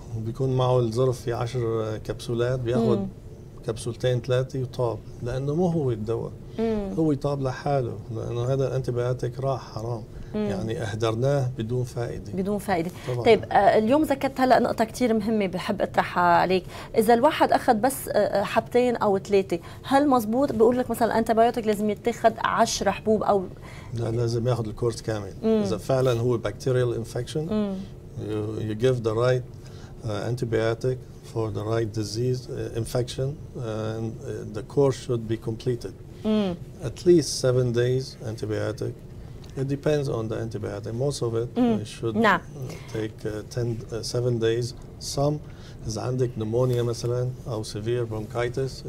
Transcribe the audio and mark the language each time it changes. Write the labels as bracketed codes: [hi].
[ar] وبيكون معه الظرف في 10 كبسولات بياخد كبسولتين ثلاثة وطاب، لأنه مو هو الدواء هو يطاب لحاله، لأنه هذا الانتبياتك راح حرام يعني أهدرناه بدون فائدة. طبعاً. طيب اليوم ذكرت هلأ نقطة كتير مهمة بحب أطرحها عليك، إذا الواحد أخذ بس حبتين أو ثلاثة هل مزبوط بيقول لك مثلا الأنتيبيوتيك لازم يتخذ 10 حبوب أو لا؟ لازم يأخذ الكورس كامل. إذا فعلا هو [en] bacterial infection you give the right antibiotic for the right disease infection and the course should be completed at least 7 days antibiotic. It depends on the antibiotic. Most of it should take 7 days. Some is [ar] عندك نمونيا مثلا أو [en] severe bronchitis.